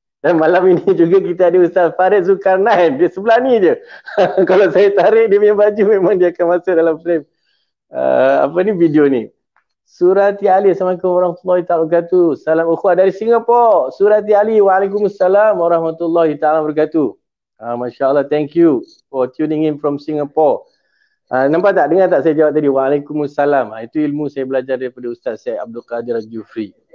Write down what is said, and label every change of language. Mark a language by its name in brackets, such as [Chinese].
[Malay] Dan malam ini juga kita ada Ustaz Farid Zulkarnain, dia sebelah ni je. Kalau saya tarik dia punya baju, memang dia akan masuk dalam frame. Video ni. Surati Ali, Assalamualaikum warahmatullahi taala wabarakatuh. Salam ukhuwah dari Singapura. Surati Ali, waalaikumsalam warahmatullahi taala wabarakatuh. [English] Masya-Allah, thank you for tuning in from Singapore. [Malay] Nampak tak, dengar tak saya jawab tadi, waalaikumsalam. Itu ilmu saya belajar daripada Ustaz Syed Abdul Qadir Al-Jufri.